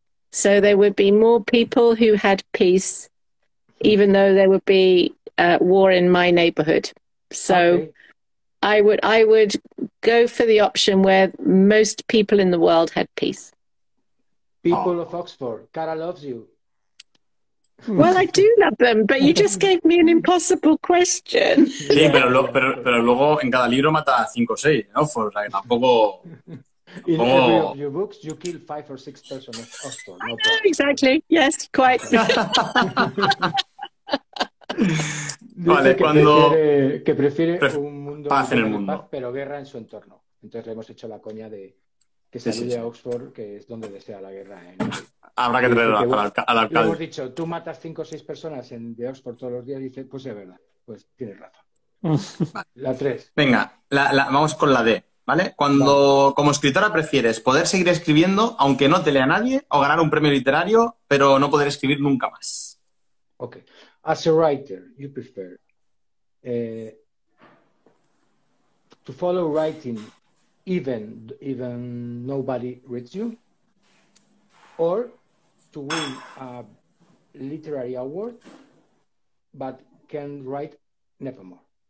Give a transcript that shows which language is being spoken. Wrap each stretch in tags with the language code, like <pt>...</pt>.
<en>So there would be more people who had peace, even though there would be war in my neighborhood. So. Okay. I would go for the option where most people in the world had peace. People of Oxford, Cara loves you. Well, I do love them, but you just gave me an impossible question.</en> <es>Sí, pero luego en cada libro mata 5 o 6, ¿no? O sea, tampoco...</es> <en>In every of your books, you kill 5 or 6 persons of Oxford. No, I know, exactly. Yes, quite.</en> <es>Dice vale, que cuando prefiere un mundo paz en el mundo, paz, pero guerra en su entorno. Entonces le hemos hecho la coña de que se alude a Oxford, que es donde desea la guerra. Habrá que traerlo al alcalde. Hemos dicho, tú matas 5 o 6 personas de Oxford todos los días. Y dice, pues es verdad, pues tienes razón. Vale. La 3. Venga, vamos con la D, ¿vale? Cuando, vale. Como escritora, ¿prefieres poder seguir escribiendo aunque no te lea nadie o ganar un premio literario pero no poder escribir nunca más?</es> <en>Ok. As a writer, you prefer to follow writing even nobody reads you, or to win a literary award but can write nevermore?</en>